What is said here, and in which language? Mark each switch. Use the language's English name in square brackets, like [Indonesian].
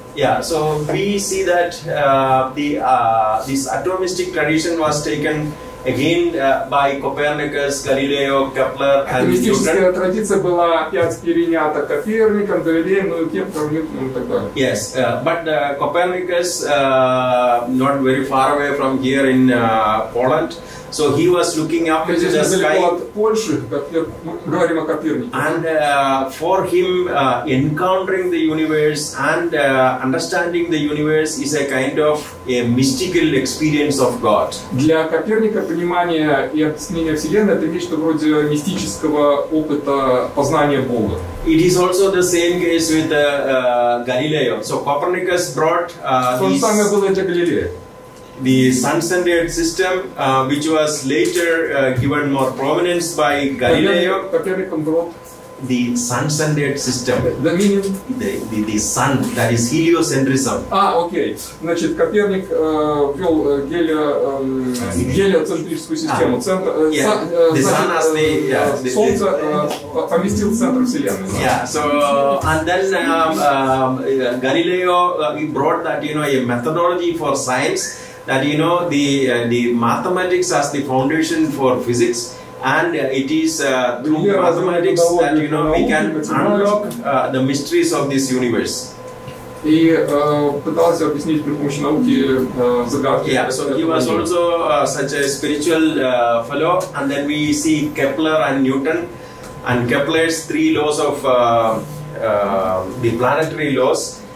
[English] Yeah, so we see that this atomistic tradition was taken again by Copernicus, Galileo, Kepler, and Newton. [Russian] Атомистическая традиция была опять перенята Коперником, Галилеем, ну и Кеплером, и так далее. [English] Yes, but Copernicus, not very far away from here in Poland, so he was looking up into the sky. [Russian] От Польши, как мы говорим о Копернике. [English] And for him, encountering the universe and understanding the universe is a kind of a mystical experience of God. [Russian] Для Коперника понимание и объяснение Вселенной — это нечто вроде мистического опыта познания Бога. [English] It is also the same case with Galileo. So Copernicus brought [Russian] то же самое было для Галилея. [English] The sun-centered system, which was later given more prominence by Galileo. The sun-centered system. The meaning? The sun, that is heliocentrism. Ah, okay. [Russian] Значит, Коперник ввел гелиоцентрическую систему. Солнце поместил в центр Вселенной. [English] Yeah, so, and then Galileo brought that, you know, a methodology for science. That, you know, the mathematics as the foundation for physics, and it is through mathematics that, you know, we can unlock the mysteries of this universe. [Russian] И пытался объяснить при помощи науки загадки. [English] Yeah, so he was also such a spiritual fellow, and then we see Kepler and Newton, and Kepler's three laws of the planetary laws.